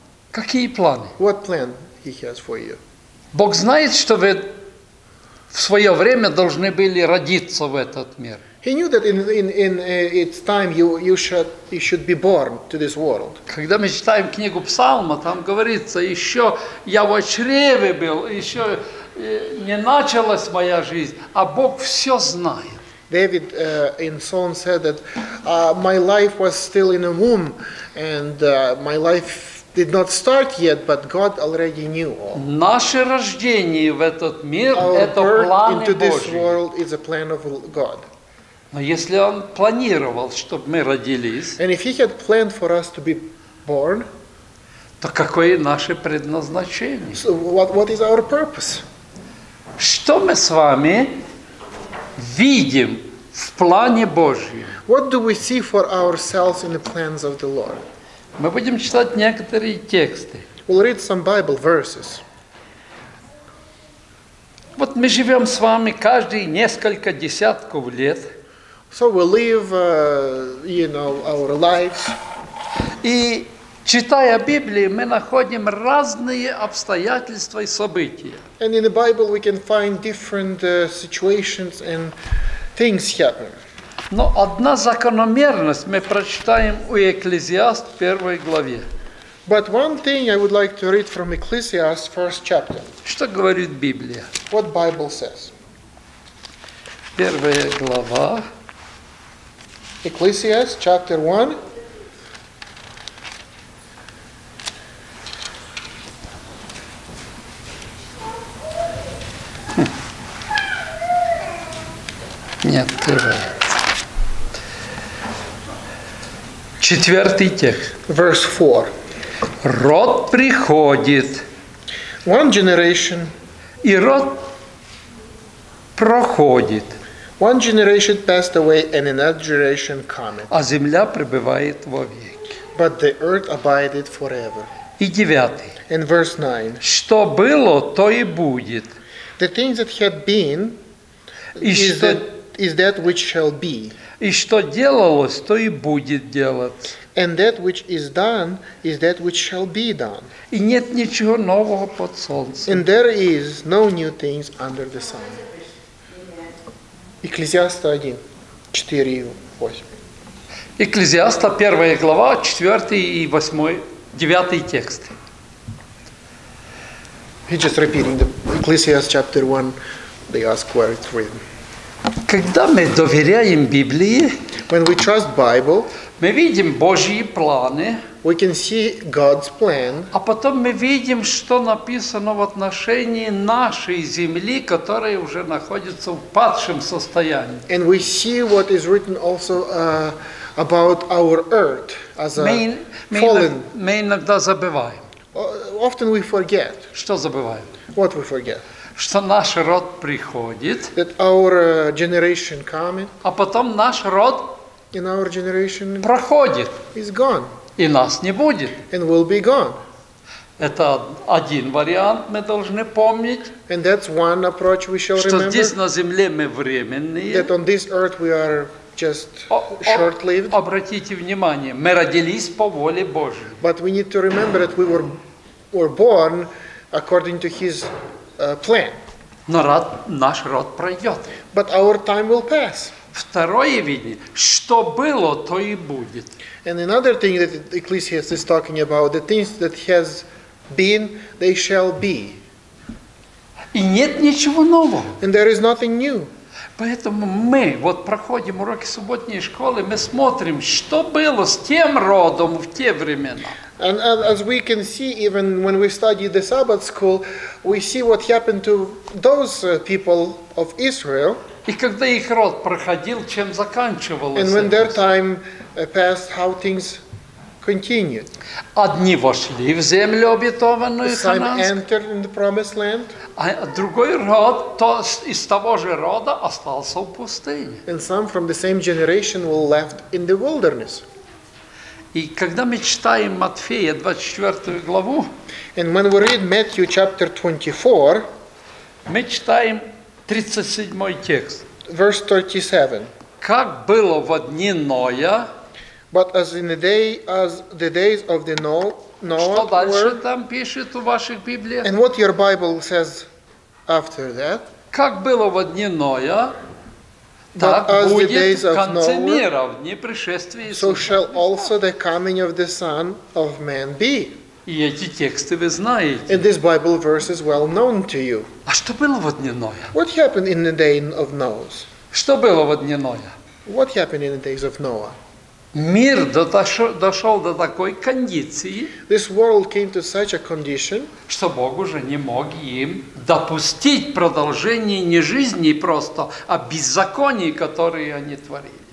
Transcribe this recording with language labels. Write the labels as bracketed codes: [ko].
[ru] Какие планы? [en] What plan He has for you? [ru] Бог знает, что вы в свое время должны были родиться в этот мир. [en] He knew that in its time you should be born to this world. [ru] Когда мы читаем книгу Псалма, там говорится, еще я в чреве был, еще не началась моя жизнь, а Бог все знает. [en] David in Psalm said that my life was still in a womb and my life did not start yet, but God already knew all. [ru] Наше рождение в этот мир – это планы Божьи. [en] Our birth into this world is a plan of God. [ru] Но если он планировал, чтобы мы родились, [en] and if he had planned for us to be born, [ru] то какое наше предназначение? [en] So what is our purpose? [ru] Что мы с вами видим в плане Божьем? [en] What do we see for ourselves in the plans of the Lord? [ru] Мы будем читать некоторые тексты. [en] We'll read some Bible verses. [ru] Вот мы живем с вами каждые несколько десятков лет. [en] So we live, our lives. [ru] И читая Библию, мы находим разные обстоятельства и события. [en] And in the Bible we can find different situations and things happen. [ru] Но одна закономерность мы прочитаем у Екклезиаст в первой главе. [en] But one thing I would like to read from Ecclesiastes, first chapter. [ru] Что говорит Библия? [en] What Bible says? [ru] Первая глава. [en] Ecclesiastes chapter 1. [ru] Не открывай. Четвертый текст. [en] Verse 4. [ru] Род приходит. [en] One generation. [ru] И род проходит. [en] One generation passed away and another generation cometh. [ru] А земля пребывает вовеки. [en] But the earth abided forever. [ru] И девятый. [en] And verse 9. [ru] Что было, то и будет. [en] The things that had been is that which shall be. [ru] И что делалось, то и будет делаться. [en] And that which is done is that which shall be done. [ru] И нет ничего нового под солнцем. [en] And there is no new things under the sun. [ru] Екклезиаста 1, 4 и 8. Екклезиаста 1 глава, 4 и 8, 9 текст. [en] He just repeating the Ecclesiastes chapter 1, they ask where it's written. [ru] Когда мы доверяем Библии, [en] when we trust Bible, [ru] мы видим Божьи планы, [en] we can see God's plan, [ru] а потом мы видим, что написано в отношении нашей земли, которая уже находится в падшем состоянии. [en] And we see what is written also about our earth as a fallen. [ru] Мы иногда забываем. [en] Often we forget. [ru] Что забываем? [en] What we forget. [ru] Что наш род приходит, [en] that our generation coming, [ru] а потом наш род [en] in our generation [ru] проходит, [en] is gone, [ru] и нас не будет. [en] And will be gone. [ru] Это один вариант мы должны помнить, [en] and that's one approach we shall [ru] что [en] remember, [ru] здесь на земле мы временные. [en] That on this earth we are just short-lived. [ru] Обратите внимание, мы родились по воле Божьей. [en] But we need to remember that we were born according to His plan. [ru] Но наш род пройдет. [en] But our time will pass. [ru] Второе видение, что было, то и будет. [en] And another thing that Ecclesiastes is talking about, the things that has been, they shall be. [ru] И нет ничего нового. [en] And there is nothing new. [ru] Поэтому мы вот проходим уроки субботней школы, мы смотрим, что было с тем родом в те времена. [en] And as we can see, even when we study the Sabbath school, we see what happened to those people of Israel. [ru] И когда их род проходил, чем заканчивалось. [en] And when their time passed, how things continued. [ru] Одни вошли в землю обетованную, Ханаанскую. [en] Some entered in the promised land. [ru] А другой род, то из того же рода, остался в пустыне. [en] And some from the same generation were left in the wilderness. [ru] И когда мы читаем Матфея 24 главу, [en] and when we read Matthew chapter 24, [ru] мы читаем 37 текст. [en] Verse 37. [ru] Как было в дни Ноя, [en] but as in the day, as the days of the Noah were. [ru] Там пишет у ваших Библий? [en] And what your Bible says after that? [ru] Как было в дни Ноя, так будет в конце мира, в дни пришествия Иисуса. [en] So shall also the coming of the Son of Man be. [ru] И эти тексты вы знаете. [en] And this Bible verse is well known to you. [ru] А что было в дни Ноя? [en] What happened in the day of Noah? [ru] Что было в дни Ноя? [en] What happened in the days of Noah? [ru] Мир дошел до такой кондиции, [en] this world came to such a condition, [ru] что Бог уже не мог им допустить продолжение не жизни просто, а беззаконий, которые они творили.